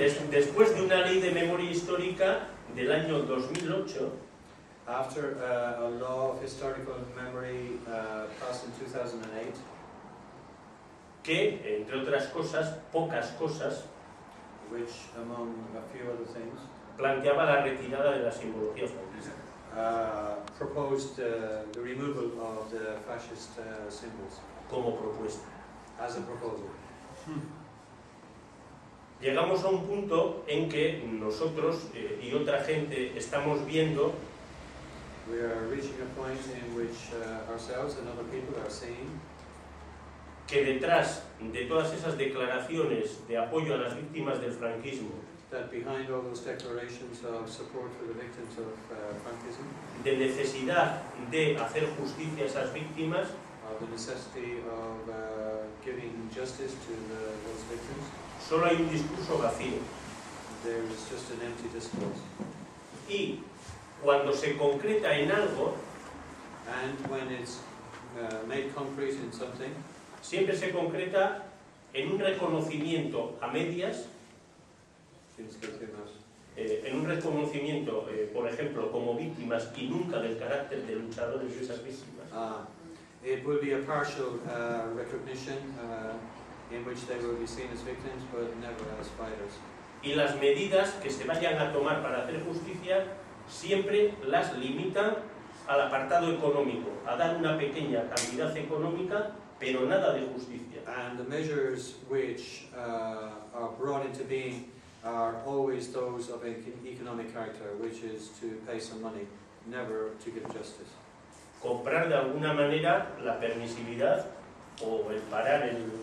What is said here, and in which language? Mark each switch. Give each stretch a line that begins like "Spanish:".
Spanish: Después de una ley de memoria histórica del año 2008,
English: after a law of historical memory passed in 2008,
Spanish: que entre otras cosas, pocas cosas,
English: which among a few other things,
Spanish: planteaba la retirada de la simbología franquista.
English: Proposed the removal of the fascist symbols.
Spanish: Como propuesta.
English: As a proposal.
Spanish: Llegamos a un punto en que nosotros y otra gente estamos viendo.
English: We are reaching a point in which ourselves and other people are seeing
Spanish: que detrás de todas esas declaraciones de apoyo a las víctimas del franquismo,
English: that behind all those declarations of support for the victims of Franquism,
Spanish: de necesidad de hacer justicia a esas víctimas,
English: of the necessity of giving justice to those victims,
Spanish: solo hay un discurso vacío.
English: There is just an empty discourse.
Spanish: Y cuando se concreta en algo,
English: and when it's made concrete in something,
Spanish: siempre se concreta en un reconocimiento a medias. En un reconocimiento, por ejemplo, como víctimas y nunca del carácter de luchadores de esas víctimas.
English: It will be a partial recognition in which they will be seen as victims, but never as fighters.
Spanish: Y las medidas que se vayan a tomar para hacer justicia siempre las limitan al apartado económico, a dar una pequeña cantidad económica, pero nada de justicia.
English: And the measures which are brought into being are always those of an economic character, which is to pay some money, never to give justice.
Spanish: Comprar de alguna manera la permisividad o el parar el...